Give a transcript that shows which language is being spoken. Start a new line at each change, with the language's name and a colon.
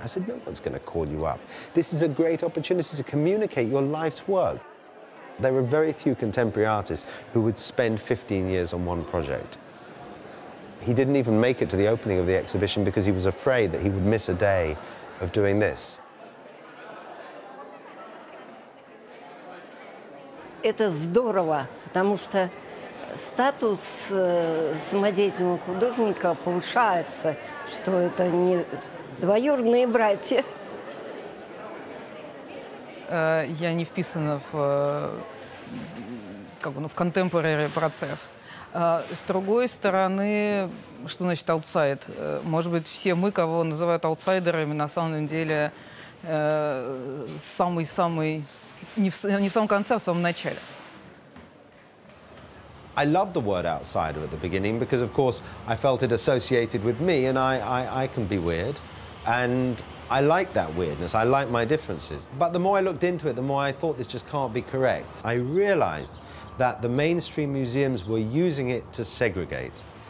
English: I said, no one's going to call you up. This is a great opportunity to communicate your life's work. There are very few contemporary artists who would spend 15 years on one project. He didn't even make it to the opening of the exhibition because he was afraid that he would miss a day of doing this.
Russian: It's здорово, потому что статус самодеятельного художника повышается, что это не двоюродные братья. Я не вписана в, как бы, ну, в contemporary процесс. С другой стороны, что значит outside? Может быть, все мы, кого называют аутсайдерами, на самом деле не в самом конце, а в самом начале.
English: I love the word outsider at the beginning because, of course, I felt it associated with me, and I can be weird. And I like that weirdness, I like my differences. But the more I looked into it, the more I thought this just can't be correct. I realized that the mainstream museums were using it to segregate.